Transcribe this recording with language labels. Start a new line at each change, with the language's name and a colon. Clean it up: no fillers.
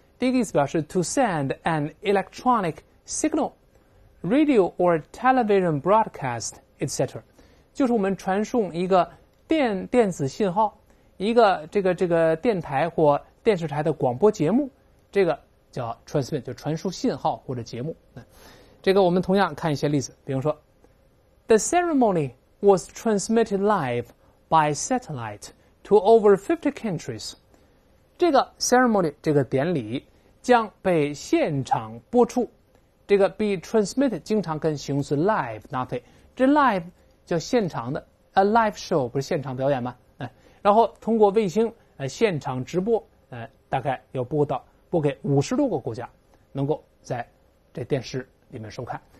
Chinese: 第一个意思表示
English: to send an electronic signalradio or television broadcast etc，
Chinese: 就是我们传送一个电子信号，一个这个电台或电视台的广播节目，这个叫 transmit， 就传输信号或者节目。这个我们同样看一些例子，比如说
English: the ceremony was transmitted live by satellite to over 50 countries，
Chinese: 这个 ceremony 这个典礼将被现场播出。这个
English: be transmitted
Chinese: 经常跟形容词 live 搭配，这 live 叫现场的 ，
English: a live show
Chinese: 不是现场表演吗？哎，然后通过卫星现场直播，大概要播给56个国家，能够在这电视里面收看。